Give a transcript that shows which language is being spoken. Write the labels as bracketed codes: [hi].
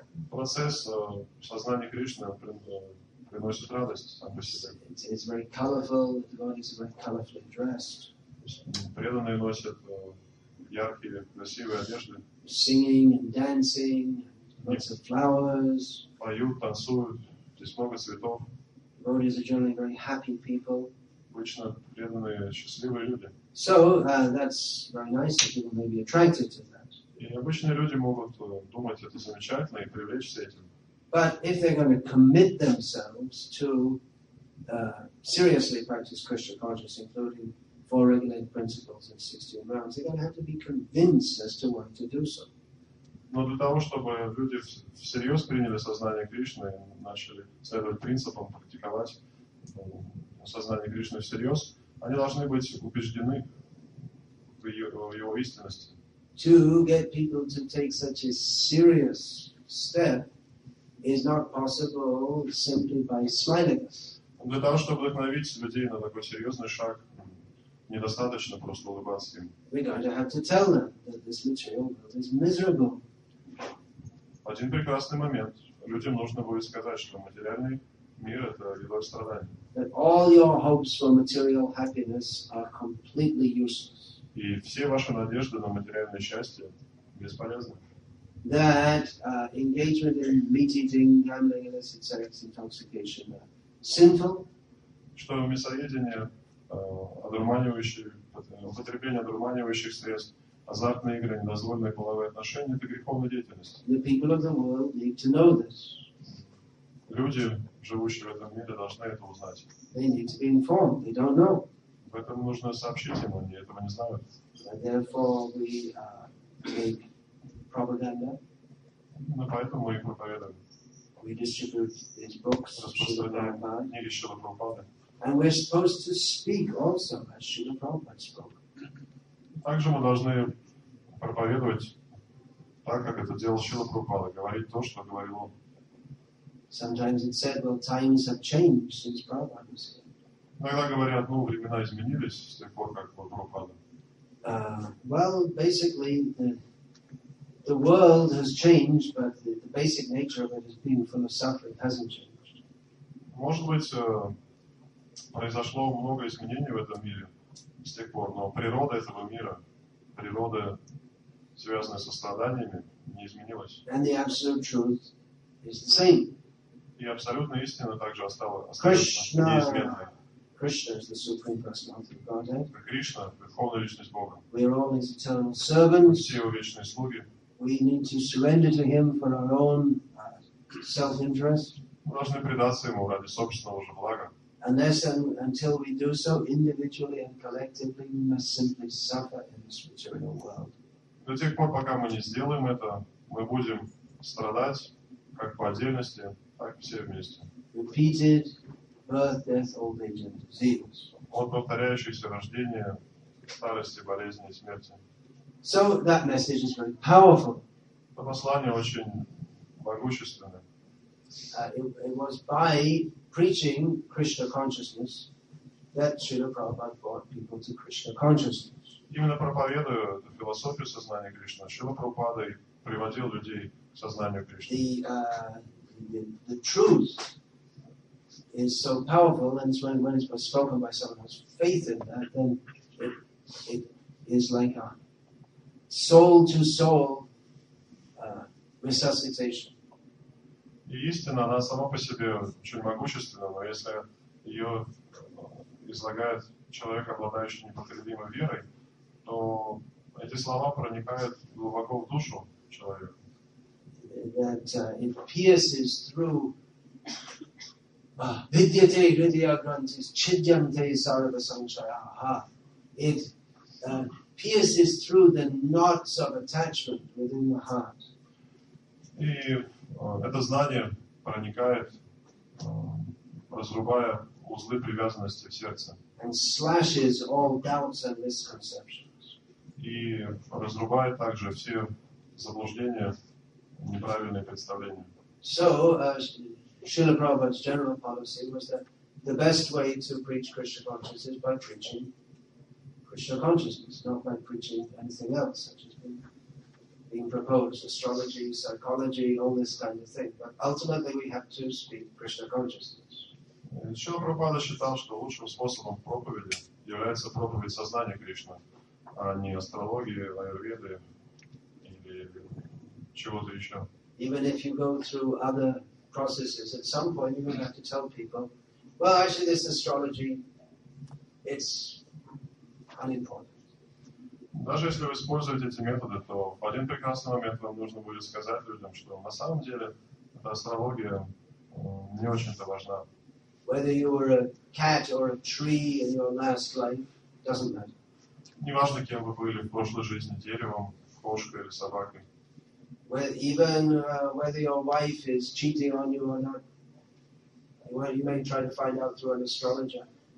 [ru] Процесс сознания Кришны приносит радость сам по себе. [en] It's very colorful. The devotees are very colorfully dressed. [ru] Преданные носят яркие, красивые одежды. [en] Singing and dancing, lots of flowers. [ru] Поют, танцуют, здесь много цветов. [en] Devotees are generally very happy people. [ru] Обычно преданные счастливые люди. [en] So that's very nice. People may be attracted to that. [ru] И обычные люди могут думать, это замечательно, и привлечься этим. [en] But if they're going to commit themselves to seriously practice Krishna consciousness, including four regulated principles and 16 rounds, they're going to have to be convinced as to why to do so. [ru] Но для того, чтобы люди всерьез приняли сознание Кришны и начали следовать принципам, практиковать сознание Кришны всерьез, они должны быть убеждены в его истинности. [en] To get people to take such a serious step is not possible simply by smiling. [ru] Для того, чтобы вдохновить людей на такой серьезный шаг, недостаточно просто улыбаться им. [en] We're going to have to tell them that this material world is miserable. [ru] Один прекрасный момент. Людям нужно будет сказать, что материальный мир — это любое страдание. [en] That all your hopes for material happiness are completely useless. [ru] И все ваши надежды на материальное счастье бесполезны. [en] That engagement in meat-eating, gambling, illicit sex, intoxication are sinful. [ru] Что мясоедение, одурманивающие, употребление одурманивающих средств, азартные игры, недозволенные половые отношения — это греховная деятельность. [en] The people of the world need to know this. [ru] Люди, живущие в этом мире, должны это узнать. [en] They need to be informed. They don't know. [ru] Поэтому нужно сообщить им, они этого не знают. [en] And therefore we make propaganda. [ru] Но поэтому мы их проповедуем. [en] We distribute these books. [ru] Распространяем Шрила Прабхупады. [en] And we're supposed to speak also as Шрила Прабхупада spoke. [ru] Также мы должны проповедовать так, как это делал Шрила Прабхупада, говорить то, что говорил он. [en] Sometimes it's said, well, times have changed since Prabhupada was here. [ru] Иногда говорят, ну, времена изменились с тех пор, как был Прабхупада. [en] Well, basically, the world has changed, but the basic nature of it has been full of suffering, hasn't changed. [ru] Может быть, произошло много изменений в этом мире с тех пор, но природа этого мира, природа, связанная со страданиями, не изменилась. [en] And the absolute truth is the same. [ru] И абсолютная истина также осталась неизменной. [en] Krishna is the Supreme Personality of Godhead. [ru] Krishna, верховная личность Бога. [en] We are all His eternal servants. [ru] Все его вечные слуги. [en] We need to surrender to Him for our own self-interest. [ru] Мы должны предаться ему ради собственного же блага. [en] Unless and until we do so individually and collectively, we must simply suffer in this material world. [ru] До тех пор, пока мы не сделаем это, мы будем страдать как по отдельности, так и все вместе. [en] Repeated birth, death, old age, and disease. [ru] От повторяющихся рождения, старости, болезни и смерти. [en] So that message is very powerful. [ru] Это послание очень могущественное. [en] It was by preaching Krishna consciousness that Srila Prabhupada brought people to Krishna consciousness. [ru] Именно проповедуя эту философию сознания Кришны, Шрила Прабхупада приводил людей к сознанию Кришны. [en] The truth is so powerful, and when it's spoken by someone who has faith in that, then it is like a soul-to-soul resuscitation. [ru] И истина, она сама по себе очень могущественна, но если ее излагает человек, обладающий непоколебимой верой, то эти слова проникают глубоко в душу человека. [en] That it pierces through [sa] vidyate hridaya grantis chidyante sarva sanshaya. [en] It pierces through the knots of attachment within the heart. [ru] И это знание проникает, разрубая узлы привязанности в сердце. [en] And slashes all doubts and misconceptions. [ru] И разрубает также все заблуждения, неправильные представления. [en] So, Srila Prabhupada's general policy was that the best way to preach Krishna consciousness is by preaching Krishna consciousness, not by preaching anything else, such as being proposed, astrology, psychology, all this kind of thing. But ultimately we have to speak Krishna consciousness. [ru] Srila Prabhupada считал, что лучшим способом проповеди является проповедь сознания Кришны. а не астрологии, аюрведы или чего-то еще. [en] Even if you go through other processes, at some point you will have to tell people, well, actually this astrology, it's unimportant. [ru] Даже если вы используете эти методы, то в один прекрасный момент вам нужно будет сказать людям, что на самом деле эта астрология не очень-то важна. [en] Whether you were a cat or a tree in your last life, doesn't matter. [ru] Неважно, кем вы были в прошлой жизни, деревом, кошкой или собакой. [en] Whether your wife is cheating on you or not, well, you may try to find out through an astrologer.